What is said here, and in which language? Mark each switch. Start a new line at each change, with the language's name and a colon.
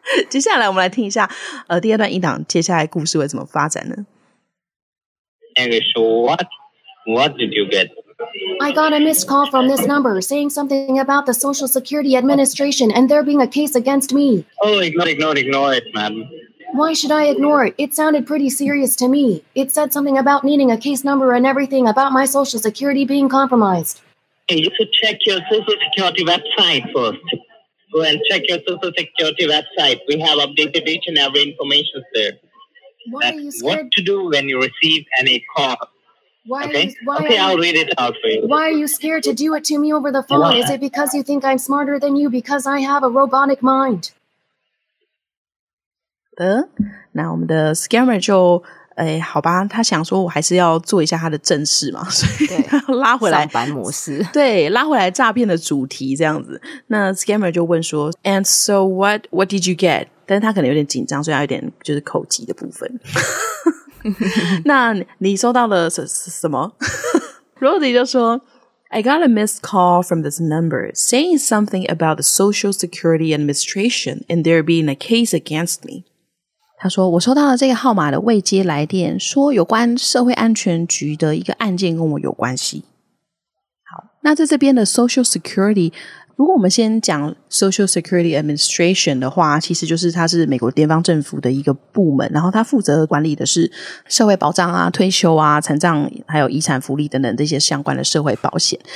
Chinese: 接下来我们来听一下第二段音档接下来故事会怎么发展呢。
English: So what did you get? I got a missed call from this number saying something about the Social Security Administration and there being a case against me. Oh, ignore it, man. Why should I ignore it? It sounded pretty serious to me. It said something about needing a case number and everything about my Social Security being compromised. Hey, you should check your Social Security website firstGo and check your Social Security website. We have updated each and every information there. What to do when you receive any call. I'll read it out for you. Why are you scared to do it to me over the phone? Is it because you think I'm smarter than you because I have a robotic mind?
Chinese: 那我们的 scammer 就哎，好吧，他想说我还是要做一下他的正事嘛，所以他要拉回来上班模式，对，拉回来诈骗的主题这样子。那 scammer 就问说 And so what did you get? 但是他可能有点紧张，所以他有点就是口急的部分。那你收到了什么？
English: Rosie 就说 I got a missed call from this number saying something about the Social Security Administration and there being a case against me.
Chinese: 他说我收到了这个号码的未接来电，说有关社会安全局的一个案件跟我有关系。好，那在这边的 Social Security 如果我们先讲 Social Security Administration 的话，其实就是它是美国联邦政府的一个部门，然后它负责管理的是社会保障啊、退休啊、残障还有遗产福利等等这些相关的社会保险。